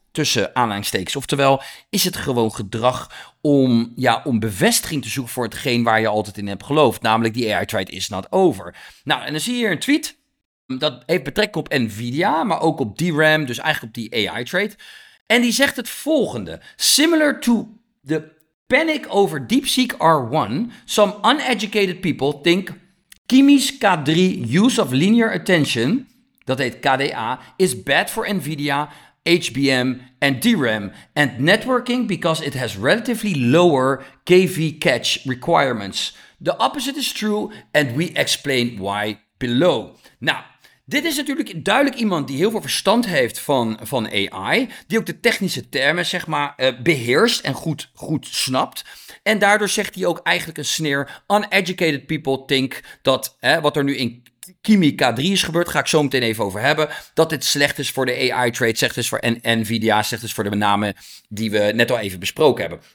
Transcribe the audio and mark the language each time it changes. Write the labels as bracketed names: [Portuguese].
[Dutch] Tussen aanhalingstekens. Oftewel, is het gewoon gedrag om bevestiging te zoeken voor hetgeen waar je altijd in hebt geloofd. Namelijk, die [English] AI trade is not over. [Dutch] Nou, en dan zie je hier een tweet. Dat heeft betrekking op Nvidia, maar ook op DRAM. Dus eigenlijk op die AI trade. En die zegt het volgende. [English] Similar to the panic over DeepSeek R1, some uneducated people think Kimi's K3 use of linear attention, [Dutch] dat heet KDA, [English] is bad for Nvidia, HBM en DRAM en networking because it has relatively lower KV catch requirements. The opposite is true and we explain why below. [Dutch] Nou, dit is natuurlijk duidelijk iemand die heel veel verstand heeft van AI, die ook de technische termen zeg maar beheerst en goed snapt. En daardoor zegt hij ook eigenlijk een sneer, [English] uneducated people think [Dutch] dat wat er nu in Kimi K3 is gebeurd, ga ik zo meteen even over hebben, dat dit slecht is voor de AI trade, slecht is voor Nvidia, slecht is voor de namen die we net al even besproken hebben.